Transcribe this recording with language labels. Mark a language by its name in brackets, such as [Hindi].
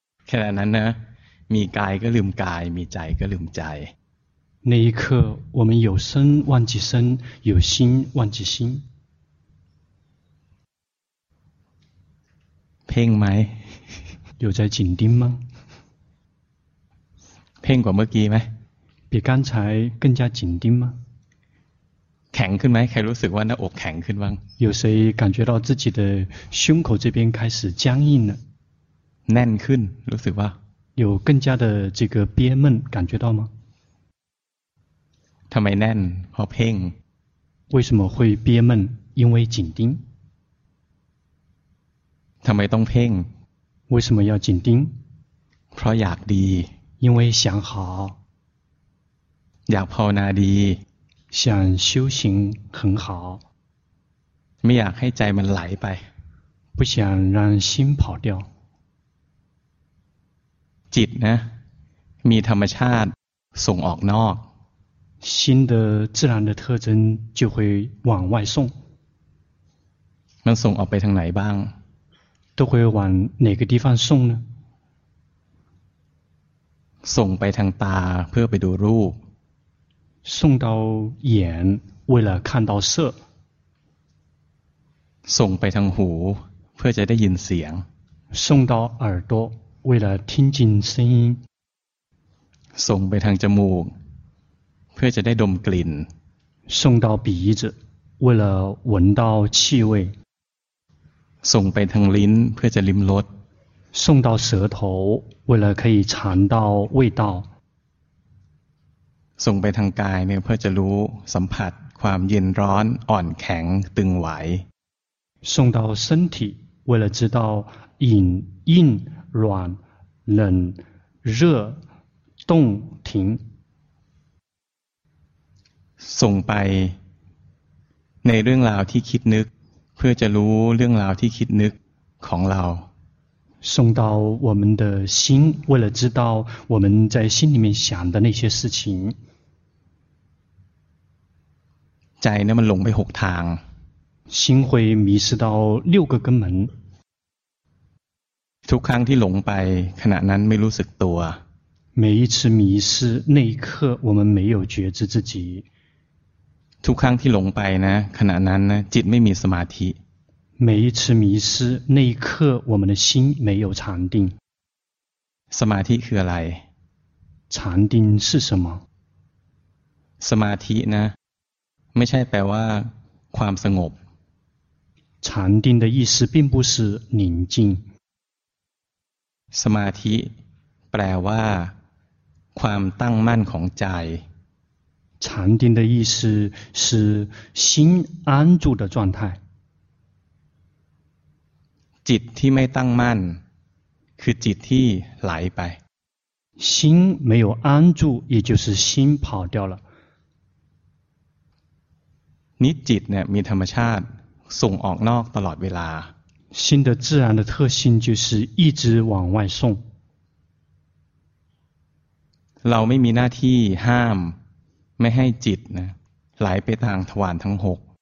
[Thai] ขณะนั้นนะมีกายก็ลืมกายมีใจก็ลืมใจ [Chinese] 那一刻我们有身忘记身有心忘记心 [Thai] เพ่งไหม [Chinese] 有在紧盯吗 [Thai] เพ่งกว่าเมื่อกี้ไหม [Chinese] 比刚才更加紧盯吗 [Thai] แข็งขึ้นไหมใครรู้สึกว่าหน้าอกแข็งขึ้นบ้าง [Chinese] 有谁感觉到自己的胸口这边开始僵硬了 [Thai] แน่นขึ้นรู้สึกว่า [Chinese] 有更加的这个憋闷感觉到吗 [Thai] ทำไมแน่นเพราะเพ่ง [Chinese] 为什么会憋闷因为紧盯 [Thai] ทำไมต้องเพ่ง [Chinese] 为什么要紧盯 [Thai] เพราะอยากดี [Chinese] 因为想好 [Thai] อยากภาวนาดี [Chinese] 想修行很好 [Thai] ไม่อยากให้ใจมันไหลไป [Chinese] 不想让心跑掉 [Thai] จิตนะมีธรรมชาติส่งออกนอก [Chinese] 心的自然的特征就会往外送 [Thai] มันส่งออกไปทางไหนบ้าง [Chinese] 都会往哪个地方送呢 [Thai] ส่งไปทางตาเพื่อไปดูรูป [Chinese] 送到眼为了看到色 [Thai] ส่งไปทางหูเพื่อจะได้ยินเสียง [Chinese] 送到耳朵为了听进声音 [Thai] ส่งไปทางจมูกเพื่อจะได้ดมกลิ่น [Chinese] 送到鼻子为了闻到气味 [Thai] ส่งไปทางลิ้นเพื่อจะลิ้มรส [Chinese] 送到舌头为了可以尝到味道 [Thai] ส่งไปทางกายเนี่ยเพื่อจะรู้สัมผัสความเย็นร้อนอ่อนแข็งตึงไหว [Chinese] 送到身体为了知道隐硬软冷热动停 [Thai] ส่งไปในเรื่องราวที่คิดนึกเพื่อจะรู้เรื่องราวที่คิดนึกของเรา [Chinese] 送到我们的心为了知道我们在心里面想的那些事情 [Thai] ใจนั้นมันหลงไปหกทาง [Chinese] 心会迷失到六个根门 [Thai] ทุกครั้งที่หลงไปขณะนั้นไม่รู้สึกตัว [Chinese] 每一次迷失那一刻我们没有觉知自己 [Thai] ทุกครั้งที่หลงไปนะขณะนั้นนะจิตไม่มีสมาธิ [Chinese] 每一次迷失那一刻我们的心没有禅定 [Thai] สมาธิคืออะไร [Chinese] 禅定是什么 [Thai] สมาธินะไม่ใช่แปลว่าความสงบ [Chinese] 禅定的意思并不是宁静 [Thai] สมาธิแปลว่าความตั้งมั่นของใจ [Chinese] 禅定的意思是心安住的状态 [Thai] จิตที่ไม่ตั้งมั่นคือจิตที่ไหลไป [Chinese] 心没有安住也就是心跑掉了 [Thai] นี่จิตเนี่ยมีธรรมชาติส่งออกนอกตลอดเวลา [Chinese] 心的自然的特性就是一直往外送 [Thai] เราไม่มีหน้าที่ห้ามไม่ให้จิตนะไหลไปทางทวารทั้งหก